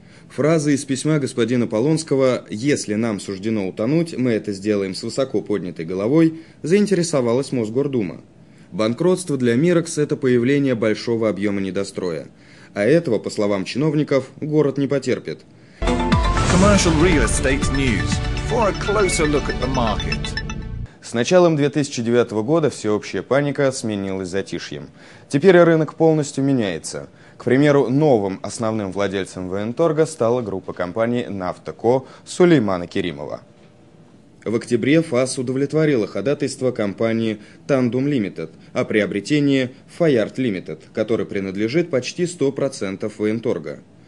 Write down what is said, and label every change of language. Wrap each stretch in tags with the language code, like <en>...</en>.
<ru>Фраза из письма господина Полонского «Если нам суждено утонуть, мы это сделаем с высоко поднятой головой» заинтересовалась Мосгордума. Банкротство для «Мирекс» – это появление большого объема недостроя. А этого, по словам чиновников, город не потерпит.</ru> <en>Commercial Real Estate News. For a closer look at the market.</en> <ru>С началом 2009 года всеобщая паника сменилась затишьем. Теперь рынок полностью меняется. К примеру, новым основным владельцем Военторга стала группа компаний «Нафтоко» Сулеймана Керимова. В октябре ФАС удовлетворила ходатайство компании «Тандум Лимитед» о приобретении «Файард Лимитед», который принадлежит почти 100% Военторга.</ru>